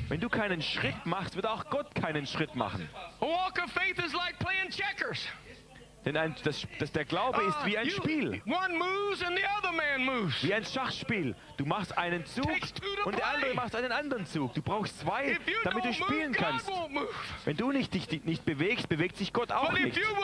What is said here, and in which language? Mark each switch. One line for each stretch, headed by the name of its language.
German: Wenn du keinen Schritt machst, wird auch Gott keinen Schritt machen.
English: A walk of faith is like playing checkers.
German: Denn der Glaube ist wie ein Spiel.
English: One moves and the other man moves.
German: Wie ein Schachspiel. Du machst einen Zug und der andere macht einen anderen Zug. Du brauchst zwei, damit du spielen kannst. Wenn du dich nicht bewegst, bewegt sich Gott auch nicht.